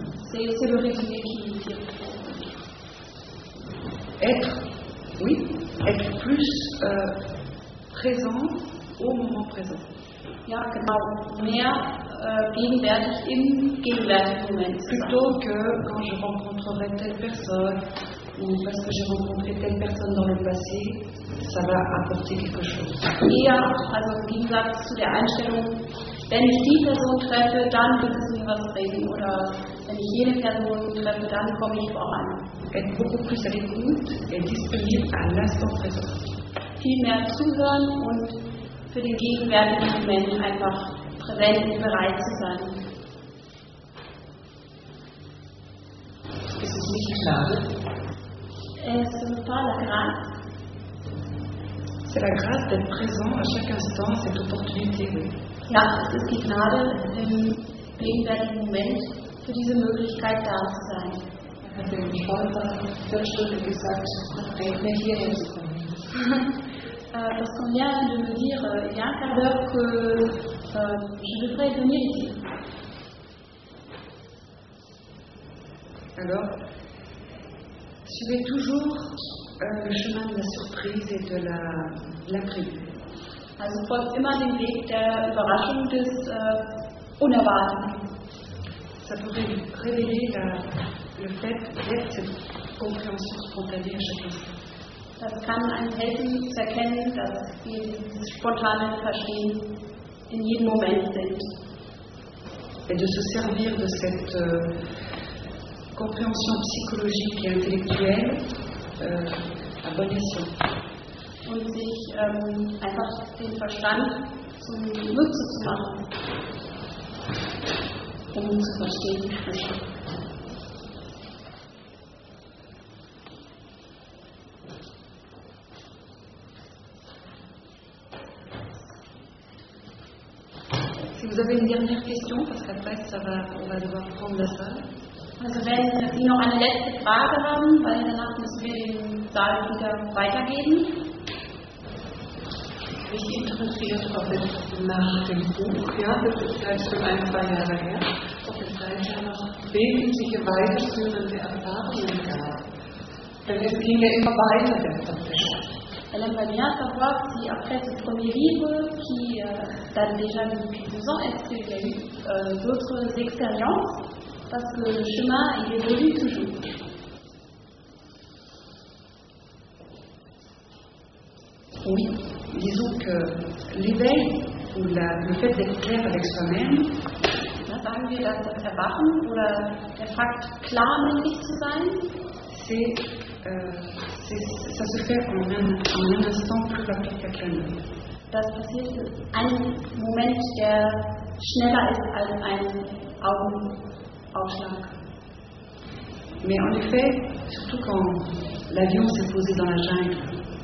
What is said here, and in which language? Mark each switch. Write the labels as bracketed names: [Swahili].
[French] C'est le résumé qui nous tire. Être. Oui, être plus présent au moment présent. [German] Ja, genau. Mehr gegenwärtig im gegenwärtigen Moment. [French] Plutôt que quand je rencontrerai telle personne, ou parce que j'ai rencontré telle personne dans le passé, ça va apporter quelque chose. [German] Eher, also im Gegensatz zu der Einstellung, wenn ich die Person treffe, dann wird es mir was bringen. Oder wenn ich jene Person treffe, dann komme ich voran. [French] Être beaucoup plus à l'écoute et disponible à l'instant présent. [German] Viel mehr zuhören und für den gegenwärtigen Moment einfach präsent und bereit zu sein. Ist es nicht schade? Ist es [French] pas la grâce? C'est la grâce d'être présent à chaque instant, cette opportunité. [German] Ja, es ist die Gnade, im gegenwärtigen Moment für diese Möglichkeit da zu sein. Hat der Vater der Stunde gesagt, nach mehr hier hinzukommen. [French] Parce qu'on vient de me dire, il y a un quart d'heure que je devrais venir ici. Alors, suivez toujours le chemin de la surprise et de l'imprévu. [German] Also, folgt immer den Weg der Überraschung des Unerwarteten. [French] Ça pourrait révéler la. Le fait d'être cette compréhension spontanée à chaque instant. [German] Das kann einem helfen zu erkennen, dass wir dieses spontane Verstehen in jedem Moment sind. [French] Et de se servir de cette compréhension psychologique et intellectuelle à bon escient. [German] Und sich einfach den Verstand zum Nutzen zu machen, um zu verstehen. [French] Vous avez une dernière question parce qu'après ça va, on va devoir prendre la salle. [German] Also wenn Sie noch eine letzte Frage haben, weil danach müssen wir den Saal wieder weitergeben. Mich interessiert, ob es nach dem Buch, ja, das ist ja schon ein, zwei Jahre her, ob es da noch wesentliche weiterführende Erfahrungen gab. Denn es ging ja immer weiter, der Prozess. [French] Elle aimerait bien savoir si après ce premier livre, qui date déjà depuis 12 ans, est-ce qu'il y a eu d'autres expériences, parce que le chemin, il évolue toujours. Oui, disons que l'éveil, ou le fait d'être clair avec soi-même, [German] ja, sagen wir, dass das Erwachen, oder der Fakt, klar mit sich zu sein, [French] c'est... ça se fait en un instant plus rapide qu'à un autre. [German] Das passiert ein Moment, der schneller ist als ein Augenaufschlag. [French] Mais en effet, surtout quand l'avion s'est posé dans la jungle.